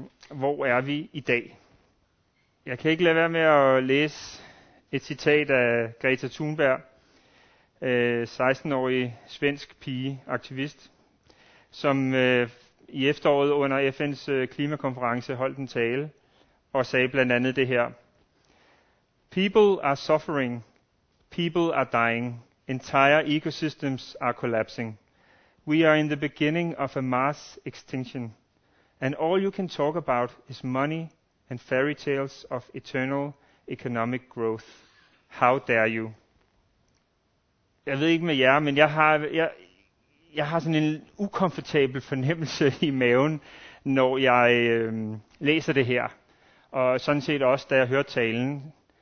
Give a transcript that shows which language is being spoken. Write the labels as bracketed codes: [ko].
[da] Hvor er vi i dag? Jeg kan ikke lade være med at læse et citat af Greta Thunberg, 16-årig svensk pige, aktivist, som i efteråret under FN's klimakonference holdt en tale og sagde blandt andet det her: [en] "People are suffering. [da] People are dying. [en] Entire ecosystems are collapsing. We are in the beginning of a mass extinction. And all you can talk about is money and fairy tales of eternal economic growth. How dare you?" [da] Jeg ved ikke med jer, men jeg har sådan en ukomfortabel fornemmelse i maven, når jeg læser det her. Og sådan set også, da jeg hørte talen.